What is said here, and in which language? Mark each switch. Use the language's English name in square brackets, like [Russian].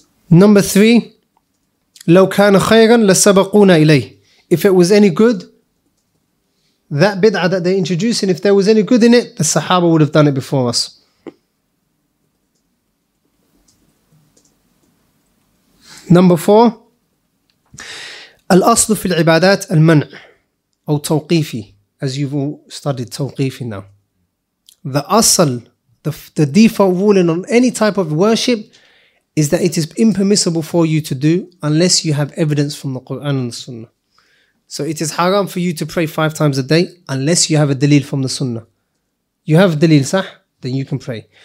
[English] Number three, [Arabic] لو كان خيرا لسبقونا إليه. [English] If it was any good, that bid'ah that they're introducing, if there was any good in it, the Sahaba would have done it before us. Number four, [Arabic] الأصل في العبادات المنع أو توقيفي. [English] As you've all studied توقيفي now. The أصل, the default ruling on any type of worship is that it is impermissible for you to do unless you have evidence from the Quran and the Sunnah. So it is haram for you to pray 5 times a day unless you have a dalil from the Sunnah. You have a dalil, sah? Then you can pray.